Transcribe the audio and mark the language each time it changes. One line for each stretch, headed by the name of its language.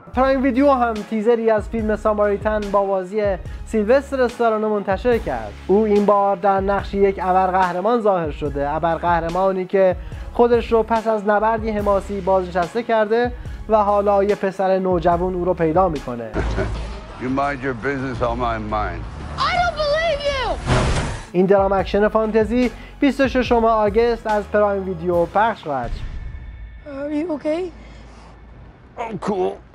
Persian: پرایم ویدیو هم تیزری از فیلم ساماریتن با بازی سیلوستر استالون منتشر کرد. او این بار در نقش یک ابرقهرمان ظاهر شده، ابرقهرمانی که خودش رو پس از نبردی حماسی بازنشسته کرده و حالا یه پسر نوجوان او رو پیدا میکنه.
English: You mind your business, I'll mind mine. I don't believe you.
Persian: این درام اکشن فانتزی 26 آگست از پرایم ویدیو پخش خواهد شد.
English: Are you okay? I'm cool.